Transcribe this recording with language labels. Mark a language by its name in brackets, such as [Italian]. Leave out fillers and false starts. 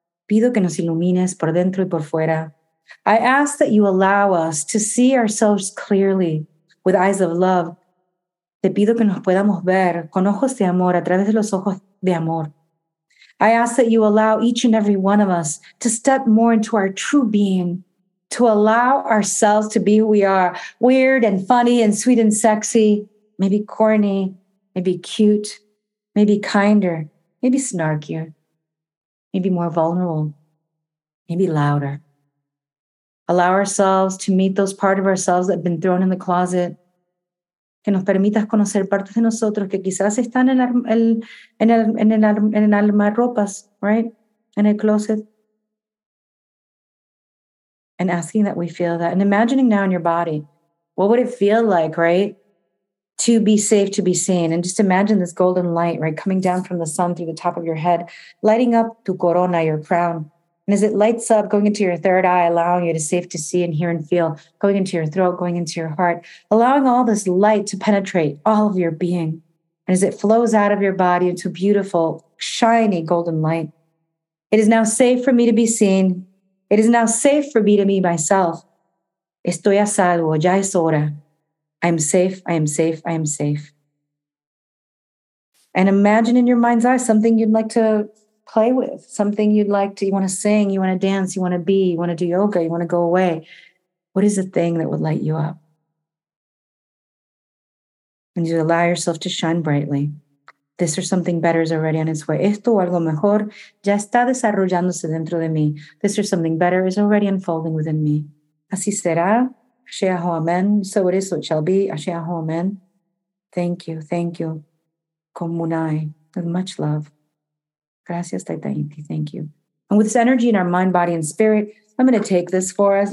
[Spanish] Pido que nos ilumines por dentro y por fuera. [English] I ask that you allow us to see ourselves clearly with eyes of love, [Spanish] Te pido que nos podamos ver con ojos de amor a través de los ojos de amor. [English] I ask that you allow each and every one of us to step more into our true being, to allow ourselves to be who we are, weird and funny and sweet and sexy, maybe corny, maybe cute, maybe kinder, maybe snarkier, maybe more vulnerable, maybe louder. Allow ourselves to meet those parts of ourselves that have been thrown in the closet. [Spanish] Que nos permitas conocer partes de nosotros que quizás están en el armarropas, right? En el closet. [English] And asking that we feel that. And imagining now in your body, what would it feel like, right? To be safe, to be seen. And just imagine this golden light, right? Coming down from the sun through the top of your head, lighting up [Spanish] tu corona, [English] your crown. And as it lights up, going into your third eye, allowing you to safe to see and hear and feel, going into your throat, going into your heart, allowing all this light to penetrate all of your being. And as it flows out of your body into beautiful, shiny golden light, it is now safe for me to be seen. It is now safe for me to be myself. [Spanish] Estoy a salvo, ya es hora. [English] I am safe, I am safe, I am safe. And imagine in your mind's eye something you'd like to play with, something you'd like to, you want to sing, you want to dance, you want to be, you want to do yoga, you want to go away. What is the thing that would light you up? And you allow yourself to shine brightly. This or something better is already on its way. [Spanish] Esto o algo mejor ya está desarrollándose dentro de mí. [English] This or something better is already unfolding within me. [Spanish] Así será. [English] Ashe aho amen. So it is, so it shall be. Ashe aho amen. Thank you, komunai, with much love. [Spanish] Gracias, [English] Taitainti. Thank you. And with this energy in our mind, body, and spirit, I'm going to take this for us.